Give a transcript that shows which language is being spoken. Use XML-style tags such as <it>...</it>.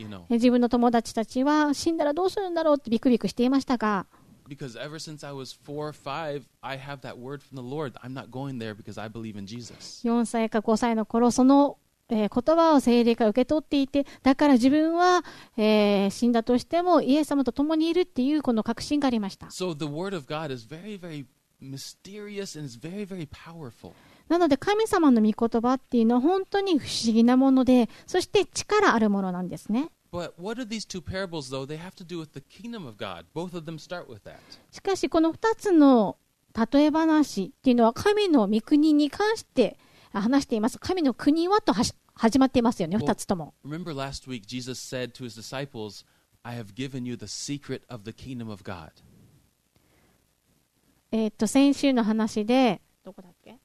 <ja>自分の友達たちは死んだらどうするんだろうってビクビクしていましたが、</ja> <en>Because ever since I was 4 or 5, I have that word from the Lord. I'm not going there because I believe in Jesus.</en> <ja>4歳か5歳の頃その言葉を聖霊から受け取っていて、だから自分は、死んだとしてもイエス様と共にいるっていうこの確信がありました。</ja> <en>So the word of God is very, very mysterious and is very, very powerful.</en> <ja>なので神様の御言葉っていうのは本当に不思議なもので、そして力あるものなんですね。</ja> <en>But what are these two parables though? They have to do with the kingdom of God. Both of them start with that.</en> <ja>しかしこの2つの例え話っていうのは神の御国に関して話しています。神の国はと始まっていますよね、2つとも。</ja> <en>Remember last week, Jesus said to his disciples, I have given you the secret of the kingdom of God.</en> <ja>先週の話で、どこだっけ</ja>